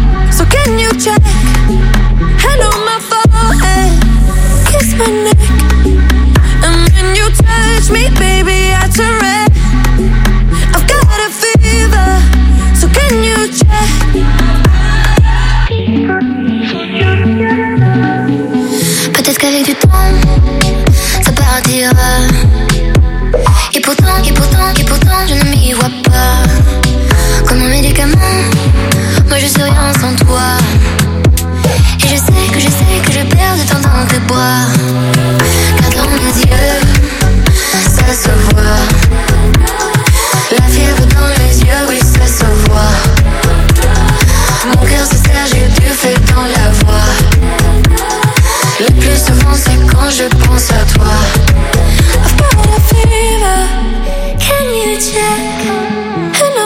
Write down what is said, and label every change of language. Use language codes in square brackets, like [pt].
[en] So can you check? Hand on my forehead, kiss my neck. And when you touch me, baby, I turn red. I've got a fever, so can you check? [fr] Peut-être qu'avec du temps, ça partira. Et pour Et pourtant, je ne m'y vois pas. Comme un médicament, moi je suis rien sans toi. Et je sais que je perds de temps en temps de bois. Car dans mes yeux, ça se voit. La fièvre dans mes yeux, oui, ça se voit. Mon cœur se serre, j'ai du feu dans la voix. Le plus souvent, c'est quand je pense à toi. [en] I've got a fever, can you check?